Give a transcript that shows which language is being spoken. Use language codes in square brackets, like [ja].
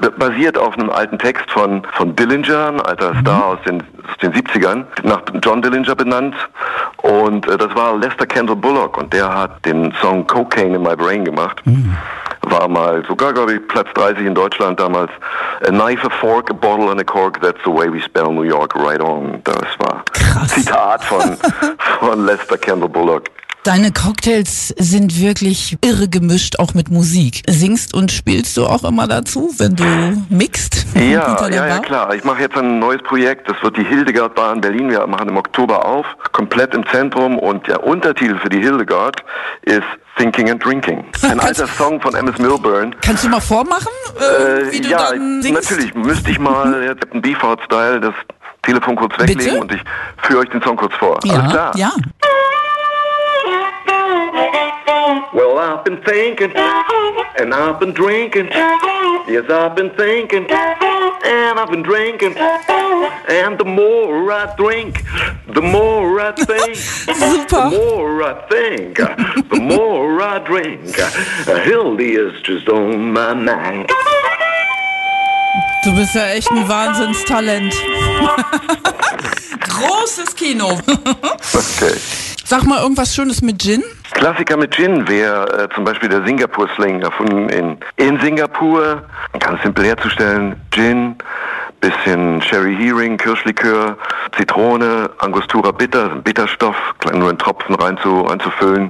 [de] Basiert auf einem alten Text von Dillinger, ein alter Star aus den 70ern, nach John Dillinger benannt. Und das war Lester Kendall Bullock und der hat den Song Cocaine in My Brain gemacht. War mal sogar, glaube ich, Platz 30 in Deutschland damals. [en] A knife, a fork, a bottle and a cork, that's the way we spell New York, right on. [de] Das war krass. Zitat von Lester Kendall Bullock. Deine Cocktails sind wirklich irre gemischt, auch mit Musik. Singst und spielst du auch immer dazu, wenn du mixt? Ja, klar. Ich mache jetzt ein neues Projekt. Das wird die Hildegard Bar in Berlin. Wir machen im Oktober auf, komplett im Zentrum. Und der Untertitel für die Hildegard ist Thinking and Drinking. Ein alter Song von Emmis Milburn. Kannst du mal vormachen, wie du ja, dann singst? Ja, natürlich. Müsste ich mal jetzt einen Beefheart-Style das Telefon kurz weglegen. Bitte? Und ich führe euch den Song kurz vor. Ja, alles klar? Ja. [en] Well, I've been thinking, and I've been drinking, yes, I've been thinking, and I've been drinking, and the more I drink, the more I think, the more I think, the more I drink, Hildy is just on my mind. [de] Du bist ja echt ein Wahnsinnstalent. Großes Kino. Okay. Sag mal irgendwas Schönes mit Gin. Klassiker mit Gin wäre zum Beispiel der Singapur-Sling, erfunden in Singapur. Ganz simpel herzustellen, Gin, bisschen Sherry Hering, Kirschlikör, Zitrone, Angostura Bitter, ein Bitterstoff, nur in Tropfen reinzufüllen.